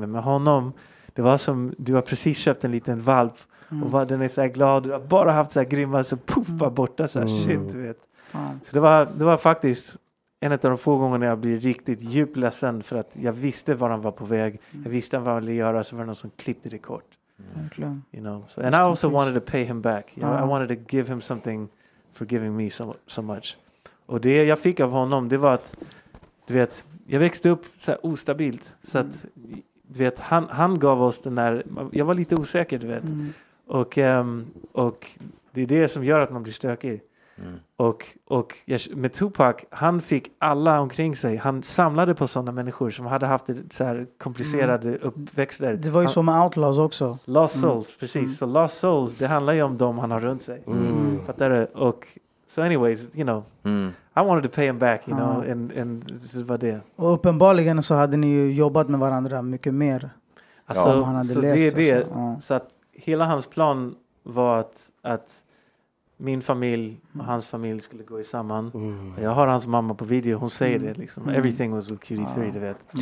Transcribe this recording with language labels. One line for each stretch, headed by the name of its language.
Swedish: Men med honom, det var som du har precis köpt en liten valp. Och bara, den är så här glad. Du har bara haft så här grymma, så puff, bara borta. Så här, shit, du vet. Så det var faktiskt en av de få gångerna jag blev riktigt djupt ledsen. För att jag visste var han var på väg. Jag visste vad han ville göra. Så var det någon som klippte det kort. Verkligen.
English: You know? So, and I also wanted to pay him back. You know? I wanted to give him something for giving me so much.
Swedish: Och det jag fick av honom, det var att, du vet, jag växte upp så här ostabilt. Så att, du vet, han gav oss den där, jag var lite osäker, du vet. Och det är det som gör att man blir stökig. Och med Tupac, han fick alla omkring sig. Han samlade på sådana människor som hade haft så här komplicerade uppväxter. Det var ju han, så med Outlaws också. Lost Souls, precis. Så Lost Souls, det handlar ju om dem han har runt sig. Fattar du?
English: Och so anyways, you know, I wanted to pay him back, you know, and this is what it is.
Swedish: Och uppenbarligen så hade ni ju jobbat med varandra mycket mer. Alltså, om han hade så levt, det är det. Så att hela hans plan var att min familj och hans familj skulle gå samman. Jag har hans mamma på video, hon säger det liksom.
English: Everything was with QD3,
Swedish: du vet.